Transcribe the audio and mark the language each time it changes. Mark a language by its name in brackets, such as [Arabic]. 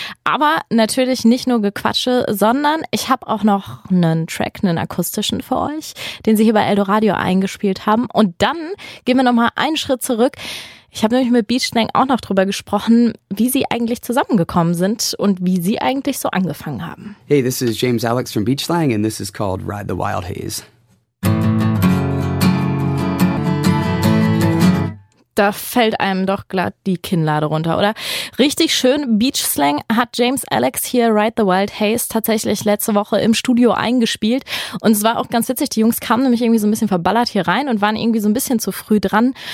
[German] Aber natürlich nicht nur Gequatsche, sondern ich habe auch noch einen Track, einen akustischen für euch, den sie hier bei Eldoradio eingespielt haben. Und dann gehen wir nochmal einen Schritt zurück. Ich habe nämlich mit Beach Slang auch noch drüber gesprochen, wie sie eigentlich zusammengekommen sind und wie sie eigentlich so angefangen haben. [English] Hey, this is James Alex from Beach Slang and this is called Ride the Wild Haze. [German] Da fällt einem doch glatt die Kinnlade runter, oder? Richtig schön, Beach Slang hat James Alex hier Ride the Wild Haze tatsächlich letzte Woche im Studio eingespielt. Und es war auch ganz witzig, die Jungs kamen nämlich irgendwie so ein bisschen verballert hier rein und waren irgendwie so ein bisschen zu früh dran.